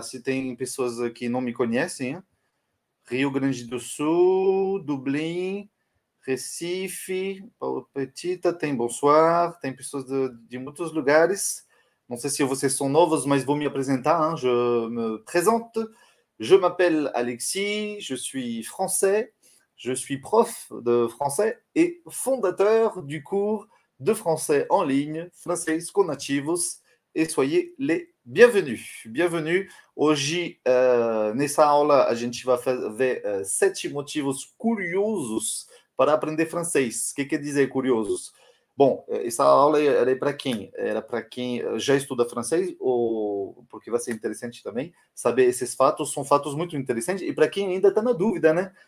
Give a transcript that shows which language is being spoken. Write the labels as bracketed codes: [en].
[pt] Se tem pessoas que não me conhecem, hein? Rio Grande do Sul, Dublin, Recife, Paulo Petita, tem Bonsoir, tem pessoas de muitos lugares. Não sei se vocês são novos, mas vou me apresentar. [fr] Hein? Je me présente. Je m'appelle Alexis, je suis français, je suis prof de français et fondateur du cours de français en ligne, Francesco Nativos, e soyez les bienvenus. Bienvenue. [pt] Hoje, nessa aula, a gente vai ver sete motivos curiosos para aprender francês. O que quer dizer curiosos? Bom, essa aula era para quem? Era para quem já estuda francês, ou porque vai ser interessante também saber esses fatos, são fatos muito interessantes, e para quem ainda está na dúvida, né?